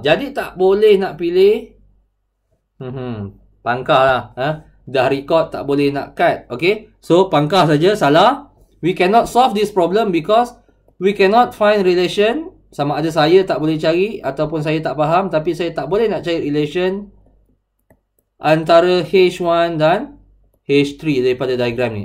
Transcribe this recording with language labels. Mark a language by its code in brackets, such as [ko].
[ms] Jadi tak boleh nak pilih. Pangkah lah. Dah record tak boleh nak cut. Okay. So pangkah saja salah. [en] We cannot solve this problem because we cannot find relation. [ms] Sama ada saya tak boleh cari ataupun saya tak faham. Tapi saya tak boleh nak cari relation antara H1 dan H3 daripada diagram ni.